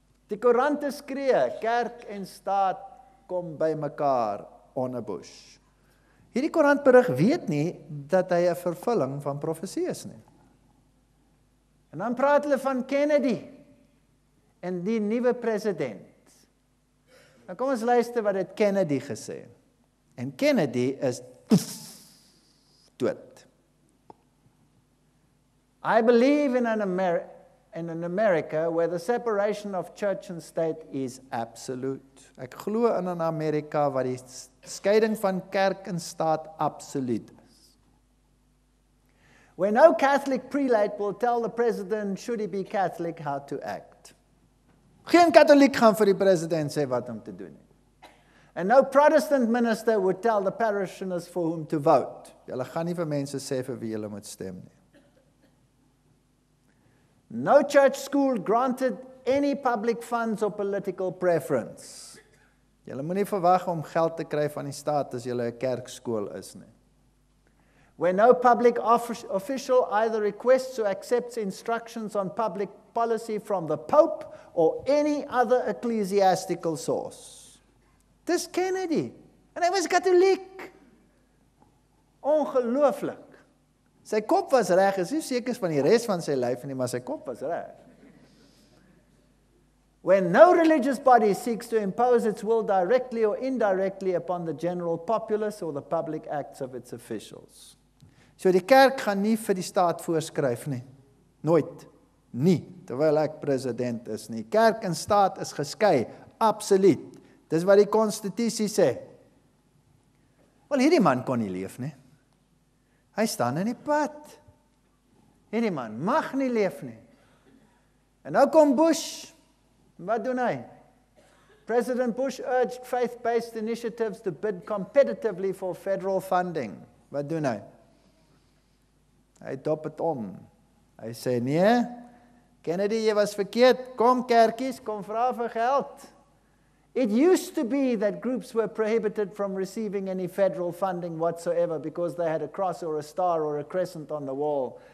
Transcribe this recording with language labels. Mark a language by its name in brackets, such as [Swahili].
[Afrikaans] Die koerante skree, kerk en staat kom by mekaar onder Bush. Hierdie koerantberig weet nie dat hy 'n vervulling van profesie is nie. En dan praat hulle van Kennedy en die nuwe president. Nou kom ons luister wat het Kennedy gesê. En Kennedy is dood. [English] I believe in an America where the separation of church and state is absolute. [Afrikaans] Ek glo in 'n Amerika waar die skeiding van kerk en staat absoluut is. [English] Where no Catholic prelate will tell the president should he be Catholic how to act. [Afrikaans] Geen katholiek gaan vir die president sê wat om te doen. [English] And no Protestant minister would tell the parishioners for whom to vote. [Afrikaans] Julle gaan nie vir mense sê vir wie julle moet stem nie. [English] No church school granted any public funds or political preference. [Afrikaans] Julle moet nie verwag om geld te kry van die staat as julle 'n kerkskool is nie. [English] When no public official either requests or accepts instructions on public policy from the Pope or any other ecclesiastical source. [Afrikaans] Dis Kennedy. En hy was katoliek. Ongelooflik. Sy kop was reg, is nie seker van die res van sy lyf nie, maar sy kop was reg. [English] When no religious body seeks to impose its will directly or indirectly upon the general populace or the public acts of its officials. [Afrikaans] So die kerk gaan nie vir die staat voorskryf nie. Nooit. Nie. Terwyl ek president is nie. Kerk en staat is geskei. absoluut. Dis wat die konstitusie sê. Wel, hierdie man kon nie leef nie. Hy staan in die pad. Hierdie man mag nie leef nie. En nou kom Bush. Wat doen hy? [English] President Bush urged faith-based initiatives to bid competitively for federal funding. [Afrikaans] Wat doen hy? Hy dop het om. Hy sê, nee, Kennedy, jy was verkeerd. Kom kerkies, kom vra vir geld. [English] It used to be that groups were prohibited from receiving any federal funding whatsoever because they had a cross or a star or a crescent on the wall.